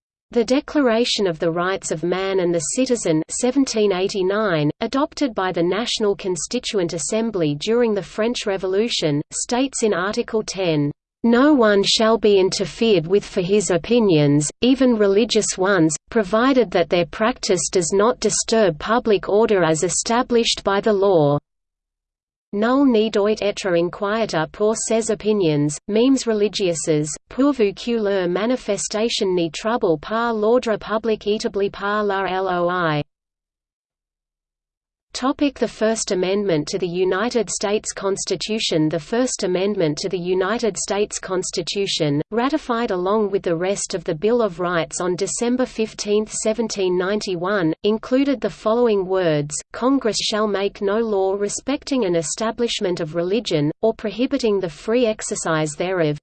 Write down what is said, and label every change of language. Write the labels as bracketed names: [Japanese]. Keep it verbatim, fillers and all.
[English] The Declaration of the Rights of Man and the Citizen seventeen eighty-nine, adopted by the National Constituent Assembly during the French Revolution, states in Article ten, "No one shall be interfered with for his opinions, even religious ones, provided that their practice does not disturb public order as established by the law. [French] Nul ne doit être inquiété pour ses opinions, mêmes religieuses, pourvu que leur manifestation ne trouble par l'ordre public établi par la loi." [English] The First Amendment to the United States Constitution. The First Amendment to the United States Constitution, ratified along with the rest of the Bill of Rights on December fifteenth, seventeen ninety-one, included the following words, "Congress shall make no law respecting an establishment of religion, or prohibiting the free exercise thereof."